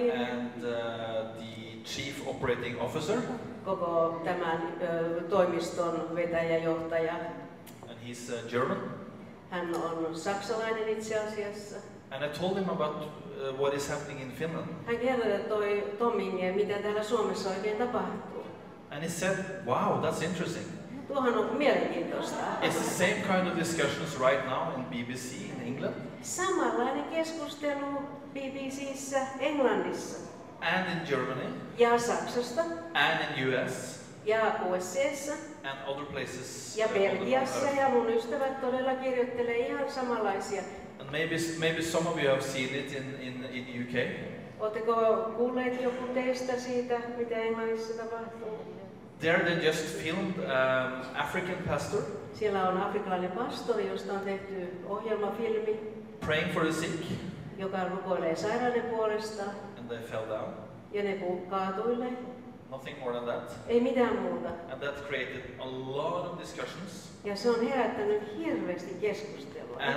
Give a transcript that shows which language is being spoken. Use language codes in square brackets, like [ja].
[en] And the chief operating officer. [fi] Koko tämän toimiston vetäjäjohtaja. [en] And he's German. [fi] Hän on saksalainen itse asiassa. [en] And I told him about what is happening in Finland. [fi] Hän kertoi Tomingille, mitä täällä Suomessa oikein tapahtuu. [en] And he said, wow, that's interesting. [fi] Tuohan on mielenkiintoista. [en] It's the same kind of discussions right now on BBC in England. [fi] Samanlainen keskustelu BBC:ssä Englannissa. [en] And in Germany. [fi] Ja Saksasta. [en] And in US. [fi] Ja USA:ssa. [en] And other places. [fi] Ja Belgiassa. Ja mun ystävät todella kirjoittelee ihan samanlaisia. [en] And maybe some of you have seen it in UK. [fi] Oletteko kuulleet joku teistä siitä, mitä Englannissa tapahtuu? [en] There they just filmed African pastor. [fi] Siellä on afrikkalainen pastori, josta on tehty ohjelmafilmi. [en] Praying for the sick. [fi] Joka rukoilee sairaiden puolesta. [en] And they fell down. [fi] Ja ne kaatuille. [en] Nothing more than that. [fi] Ei mitään muuta. [en] And that created a lot of discussions. [fi] Ja se on herättänyt hirveästi keskustelua.